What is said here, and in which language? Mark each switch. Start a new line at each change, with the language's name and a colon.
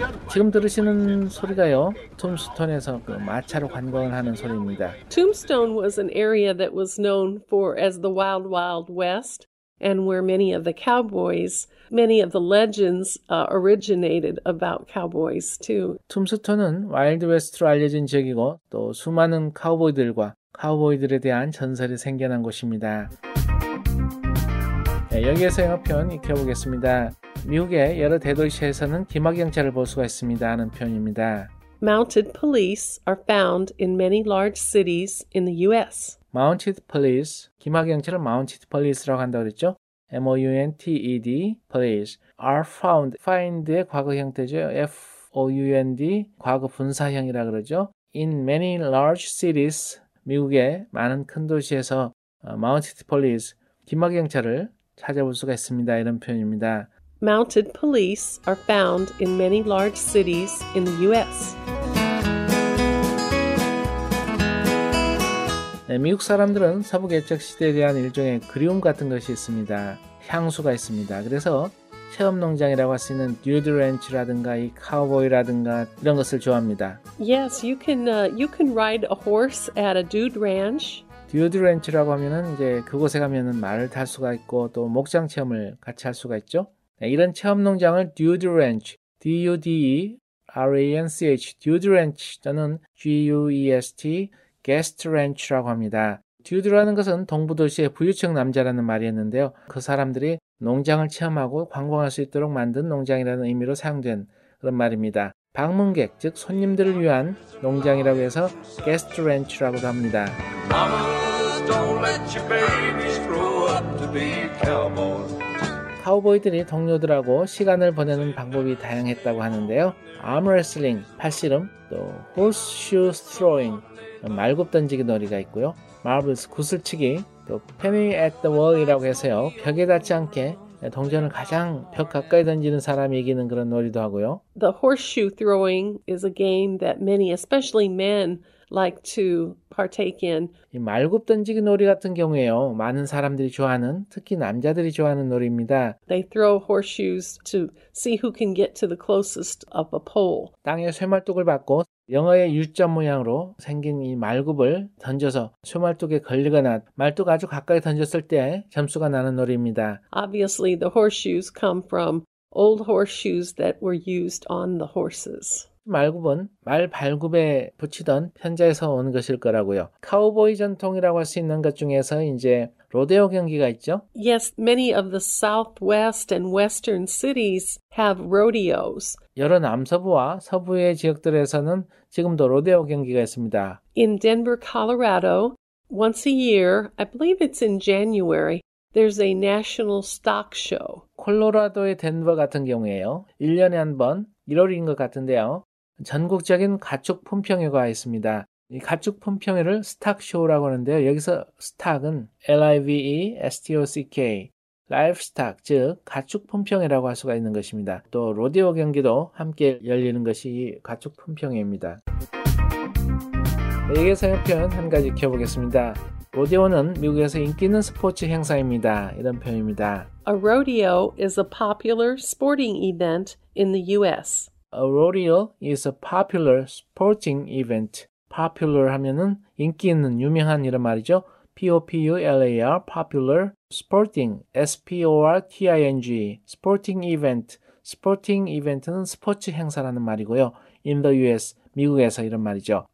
Korean: 지금 들으시는 소리가요, 툼스톤에서 그 마차로 관광을 하는 소리입니다.
English: Tombstone was an area that was known for as the Wild Wild West, and where many of the cowboys, many of the legends originated about cowboys too.
Korean: 툼스톤은 와일드 웨스트로 알려진 지역이고 또 수많은 카우보이들과 카우보이들에 대한 전설이 생겨난 곳입니다. 네, 여기에서 영어 표현 익혀보겠습니다. 미국의 여러 대도시에서는 기마경찰을 볼 수가 있습니다 하는 표현입니다.
English: Mounted police are found in many large cities in the U.S.
Korean: Mounted police, 기마경찰을 mounted police라고 한다고 그랬죠?
English: M-O-U-N-T-E-D, police, are found,
Korean: find의 과거 형태죠. F-O-U-N-D, 과거 분사형이라고 그러죠.
English: In many large cities,
Korean: 미국의 많은 큰 도시에서 mounted police, 기마경찰을 찾아볼 수가 있습니다. 이런 표현입니다.
English: Mounted police are found in many large cities in the U.S.
Korean: 네, 미국 사람들은 서부 개척 시대에 대한 일종의 그리움 같은 것이 있습니다. 향수가 있습니다. 그래서 체험 농장이라고 할 수 있는 듀드 랜치라든가 이 카우보이라든가 이런 것을 좋아합니다.
English: Yes, you can ride a horse at a dude ranch.
Korean: 듀드 랜치라고 하면은 이제 그곳에 가면은 말을 탈 수가 있고 또 목장 체험을 같이 할 수가 있죠. 네, 이런 체험 농장을 듀드 랜치, D-U-D-E, R-A-N-C-H, 듀드 랜치 또는 G-U-E-S-T, 게스트 랜치라고 합니다. 듀드라는 것은 동부도시의 부유층 남자라는 말이었는데요. 그 사람들이 농장을 체험하고 관광할 수 있도록 만든 농장이라는 의미로 사용된 그런 말입니다. 방문객, 즉 손님들을 위한 농장이라고 해서 게스트 렌치라고도 합니다.
English: Mama, don't let your babies grow up to be cowboys.
Korean: 카우보이들이 동료들하고 시간을 보내는 방법이 다양했다고 하는데요. 암레슬링, 팔씨름, 또 홀스슈 스트로잉, 말굽 던지기 놀이가 있고요. 마블스, 구슬치기, 또 패밍 앳 더 월이라고 해서요. 벽에 닿지 않게 동전을 가장 벽 가까이 던지는 사람이 이기는 그런 놀이도 하고요.
English: The horseshoe throwing is a game that many, especially men, like to partake in.
Korean: 이 말굽 던지기 놀이 같은 경우에요. 많은 사람들이 좋아하는, 특히 남자들이 좋아하는 놀이입니다.
English: They throw horseshoes to see who can get to the closest of a pole.
Korean: 땅에 쇠말뚝을 박고 영어의 U자 모양으로 생긴 이 말굽을 던져서 쇠말뚝에 걸리거나 말뚝 아주 가까이 던졌을 때 점수가 나는 놀이입니다.
English: Obviously, the horseshoes come from old horseshoes that were used on the horses.
Korean: 말굽은 말 발굽에 붙이던 편자에서 온 것일 거라고요. 카우보이 전통이라고 할 수 있는 것 중에서 이제 로데오 경기가 있죠?
English: Yes, many of the southwest and western cities have rodeos.
Korean: 여러 남서부와 서부의 지역들에서는 지금도 로데오 경기가 있습니다.
English: In Denver, Colorado, once a year, I believe it's in January, there's a national stock show.
Korean: 콜로라도의 덴버 같은 경우에요. 1년에 한 번 1월인 것 같은데요. 전국적인 가축 품평회가 있습니다. 이 가축 품평회를 스탁쇼라고 하는데요. 여기서 스탁은 LIVE STOCK, 라이프스탁, 즉 가축 품평회라고 할 수가 있는 것입니다. 또 로데오 경기도 함께 열리는 것이 이 가축 품평회입니다. 여기서 표현 한 가지 익혀보겠습니다. 로데오는 미국에서 인기 있는 스포츠 행사입니다. 이런 표현입니다.
English: A rodeo is a popular sporting event in the U.S. A rodeo is a popular sporting event. Popular
Korean: 하면은 인기 있는, 유명한 이런 말이죠.
English: P-O-P-U-L-A-R, popular, sporting, S-P-O-R-T-I-N-G, sporting event.
Korean: Sporting event는 스포츠 행사라는 말이고요.
English: In the U.S.,
Korean: 미국에서 이런 말이죠.